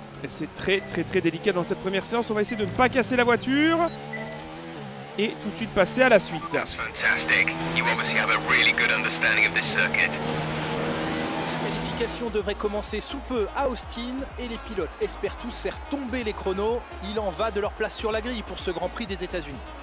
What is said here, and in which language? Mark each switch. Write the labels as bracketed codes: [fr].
[fr] C'est très très très délicat dans cette première séance. On va essayer de ne pas casser la voiture et tout de suite passer à la suite. [en] That's fantastic. You obviously have a really good understanding of this circuit. [fr] La qualification devrait commencer sous peu à Austin et les pilotes espèrent tous faire tomber les chronos. Il en va de leur place sur la grille pour ce Grand Prix des États-Unis.